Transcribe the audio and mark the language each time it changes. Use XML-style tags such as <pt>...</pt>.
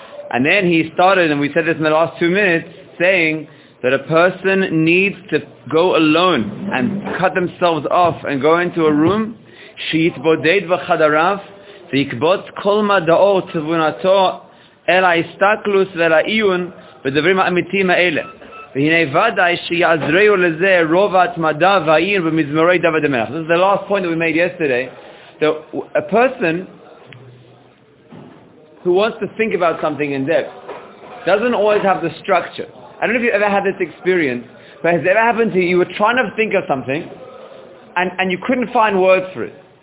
<en>And then he started, and we said this in the last 2 minutes, saying that a person needs to go alone and cut themselves off and go into a room,</en> <he>שיתבודד בחדריו, ויקבוט כל מדעו תבונתו אל ההסתכלוס ואל העיון בדברים האמיתים האלה. והנה ודאי שיעזרו לזה רוב ההתמדה והעיון במזמורי דוד המלך.</he> <en>This is the last point that we made yesterday. So a person who wants to think about something in depth doesn't always have the structure. I don't know if you've ever had this experience, but has it ever happened to you, you were trying to think of something and you couldn't find words for it.</en>